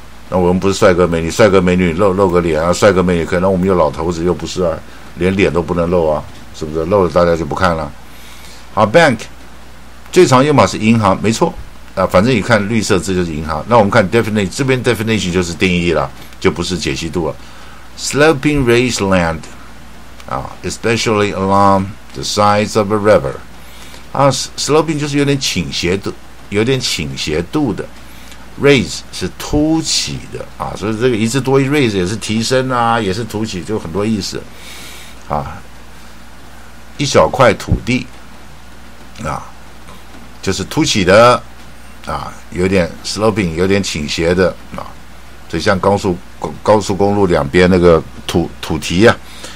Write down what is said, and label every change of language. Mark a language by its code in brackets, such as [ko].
[zh] 那我们不是帅哥美女，帅哥美女露个脸啊，帅哥美女可能我们有老头子又不是啊，连脸都不能露啊，是不是？露了大家就不看了。好 ，bank 最常用法是银行，没错啊，反正一看绿色字就是银行。那我们看 definition， 这边 definition 就是定义了，就不是解析度了。 [en] Sloping raised land。 Especially along the sides of a river. [zh] 啊 ，sloping 就是有点倾斜度，有点倾斜度的。 Raise 是凸起的啊，所以这个一字多一 raise 也是提升啊，也是凸起，就很多意思。啊，一小块土地啊，就是凸起的啊，有点 sloping， 有点倾斜的啊，就像高速公路两边那个土堤呀、啊。